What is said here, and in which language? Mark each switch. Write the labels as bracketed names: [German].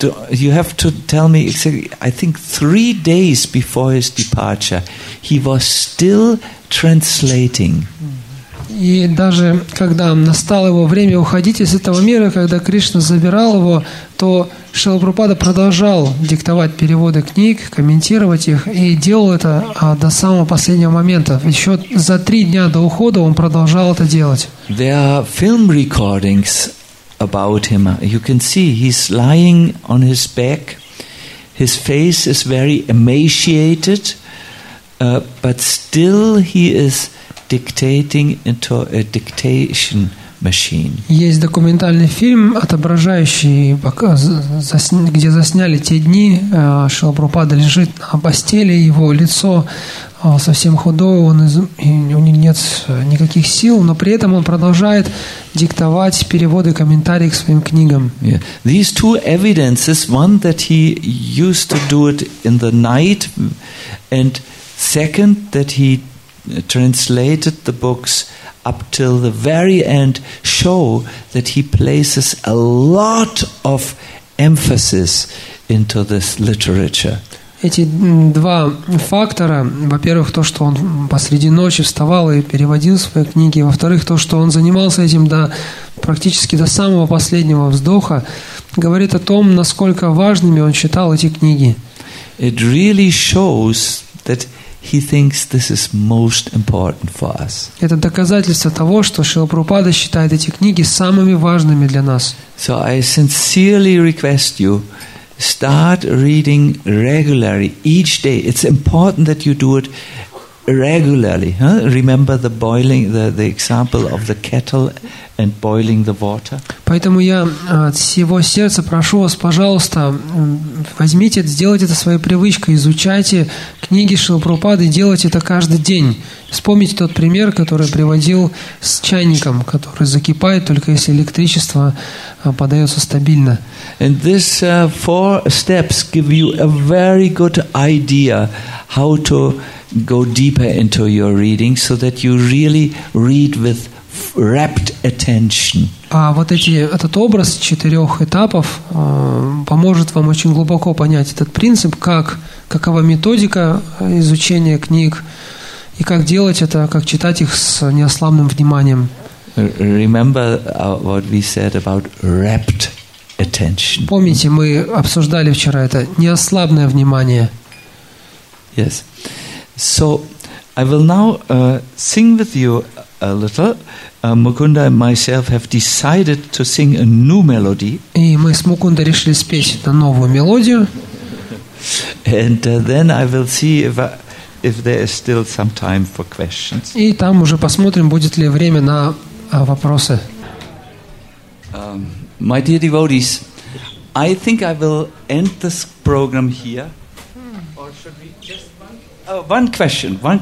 [English] You have to tell me exactly. I think 3 days before his departure, he was still translating. [Russian] И даже когда настало его время уходить из этого мира, когда Кришна забирал его, то Шрила Прабхупада продолжал диктовать переводы книг, комментировать их, и делал это до самого последнего момента. Еще за 3 дня до ухода он продолжал это делать. [English] There are film recordings about him. You can see he's lying on his back. His face is very emaciated, but still he is dictating into a dictation machine. [Russian] Есть документальный фильм, отображающий, где засняли те дни, Шрила Прабхупада лежит на постели, его лицо совсем худое, у него нет никаких сил, но при этом он продолжает диктовать переводы, комментарии к своим книгам. [English] Yeah. These two evidences, one that he used to do it in the night, and second that he translated the books up till the very end, show that he places a lot of emphasis into this literature. [Russian] Эти два фактора, во-первых, то, что он посреди ночи вставал и переводил свои книги, во-вторых, то, что он занимался этим практически до самого последнего вздоха, говорит о том, насколько важными он считал эти книги. [English] It really shows that he thinks this is most important for us. [Russian] Это доказательство того, что Шрила Прабхупада считает эти книги самыми важными для нас. [English] So I sincerely request you, start reading regularly each day. It's important that you do it regularly. Huh? Remember the boiling, the example of the kettle and boiling the water. [Russian] Поэтому я от всего сердца прошу вас, пожалуйста, возьмите, сделайте это своей привычкой, изучайте книги Шрилы Прабхупады, делайте это каждый день. Вспомните тот пример, который приводил с чайником, который закипает только если электричество подается стабильно. [English] And these four steps give you a very good idea how to go deeper into your reading, so that you really read with rapt attention. [Russian] А вот этот образ четырех этапов поможет вам очень глубоко понять этот принцип, какова методика изучения книг и как делать это, как читать их с неослабным вниманием. [English] Remember what we said about rapt attention. [Russian] Помните, мы обсуждали вчера это неослабное внимание. [English] Yes. So I will now sing with you a little. Mukunda and myself have decided to sing a new melody. [Russian] И мы с Мукундой решили спеть эту новую мелодию. [English] And then I will see if there is still some time for questions. [Russian] И там уже посмотрим, будет ли время на вопросы. [English] My dear devotees, I think I will end this program here. Or should we just One question.